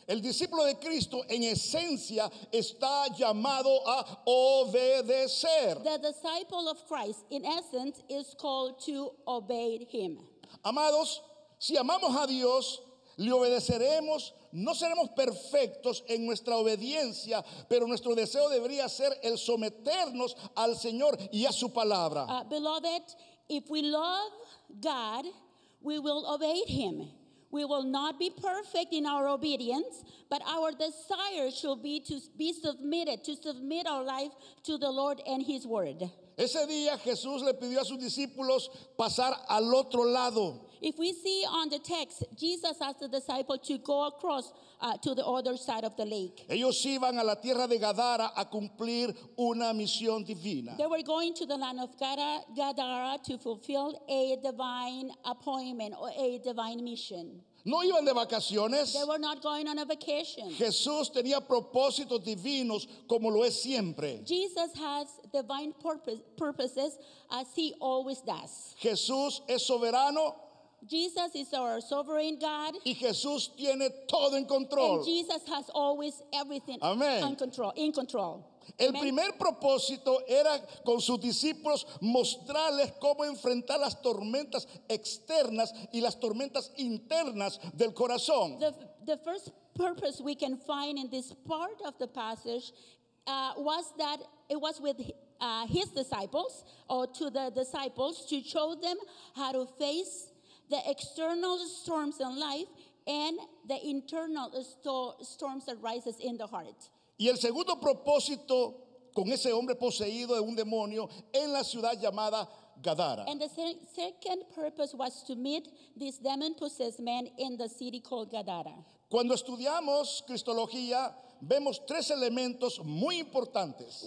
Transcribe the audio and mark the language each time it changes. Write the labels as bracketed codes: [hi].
[es] El discípulo de Cristo en esencia está llamado a obedecer. [en] The disciple of Christ in essence is called to obey him. [es] Amados, si amamos a Dios, le obedeceremos. No seremos perfectos en nuestra obediencia, pero nuestro deseo debería ser el someternos al Señor y a su palabra. [en] Beloved, if we love God, we will obey him. We will not be perfect in our obedience, but our desire shall be to be submitted, to submit our life to the Lord and his word. [es] Ese día Jesús le pidió a sus discípulos pasar al otro lado. [en] If we see on the text, Jesus asked the disciples to go across to the other side of the lake. [es] Ellos iban a la tierra de Gadara a cumplir una misión divina. [en] They were going to the land of Gadara to fulfill a divine appointment or a divine mission. [es] No iban de vacaciones. [en] They were not going on a vacation. [es] Jesús tenía propósitos divinos como lo es siempre. [en] Jesus has divine purposes as he always does. [es] Jesús es soberano. [en] Jesus is our sovereign God. [es] Y Jesús tiene todo en control. [en] And Jesus has always everything in control. [es] El primer propósito era con sus discípulos mostrarles cómo enfrentar las tormentas externas y las tormentas internas del corazón. [en] The first purpose we can find in this part of the passage was that it was with his disciples, or to the disciples, to show them how to face the external storms in life and the internal storms that rises in the heart. [es] Y el segundo propósito con ese hombre poseído de un demonio en la ciudad llamada Gadara. [en] And the second purpose was to meet this demon-possessed man in the city called Gadara. [es] Cuando estudiamos cristología, vemos tres elementos muy importantes.